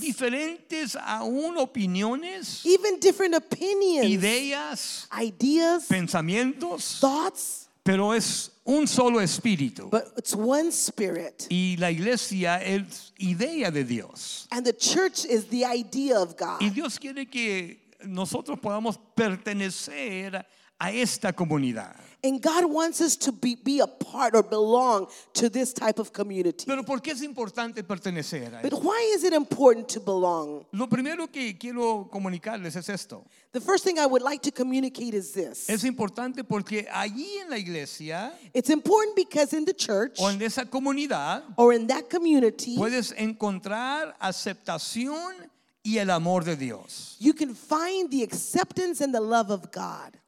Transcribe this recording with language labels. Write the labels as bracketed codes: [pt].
[es] Diferentes aún opiniones. [en] Even different opinions. [es] Ideas. [en] Ideas. [es] Pensamientos. [en] Thoughts. [es] Pero es un solo espíritu. [en] But it's one spirit. [es] Y la iglesia es idea de Dios. [en] And the church is the idea of God. [es] Y Dios quiere que nosotros podamos pertenecer a esta comunidad. [en] And God wants us to be a part or belong to this type of community. [es] Pero ¿por qué es importante pertenecer a esto? [en] But why is it important to belong? [es] Lo primero que quiero comunicarles es esto. [en] The first thing I would like to communicate is this. [es] Es importante porque allí en la iglesia, [en] it's important because in the church, [es] o en esa comunidad, [en] or in that community, [es] puedes encontrar aceptación y el amor de Dios. [en] You can find the acceptance and the love of God.